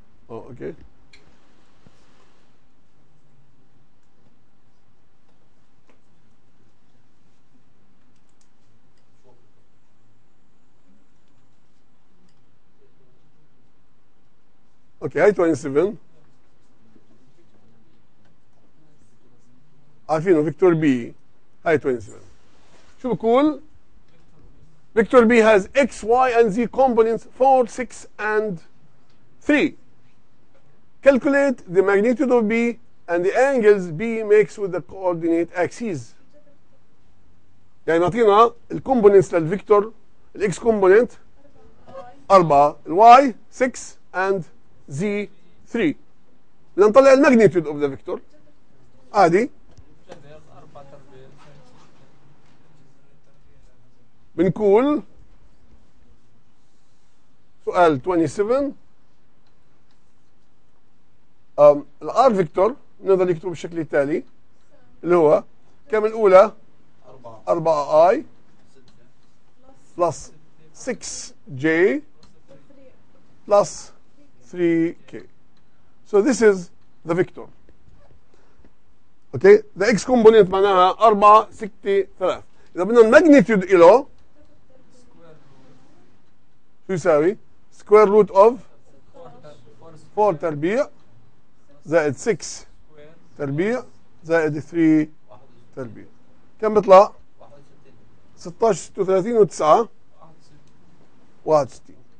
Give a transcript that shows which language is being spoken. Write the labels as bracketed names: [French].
[Arabic] اوكي اوكي هاي 27 عارفينه فيكتور بي، هاي 27. شو بقول؟ [English] Vector B has x y and z components 4 6 and 3. Calculate the magnitude of b and the angles b makes with the coordinate axes. [Arabic] يعني معطينا الكومبوننتس للفيكتور، الاكس كومبوننت 4، الواي 6 and Z 3. بدنا نطلع الماجنيتيود اوف ذا فيكتور عادي، بنقول سؤال 27 الار فيكتور بنقدر نكتبه بالشكل التالي اللي هو كم الاولى 4 اي بلس 6 جي بلس 3k. [English] So this is the vector. Okay, the x component معناها 4 6 3. [Arabic] إذا بدنا الماجنيتيود إله شو يساوي؟ [English] square root of 4 [Arabic] تربيع زائد 6 تربيع زائد 3 تربيع. كم بيطلع؟ 16 36 و 9 61.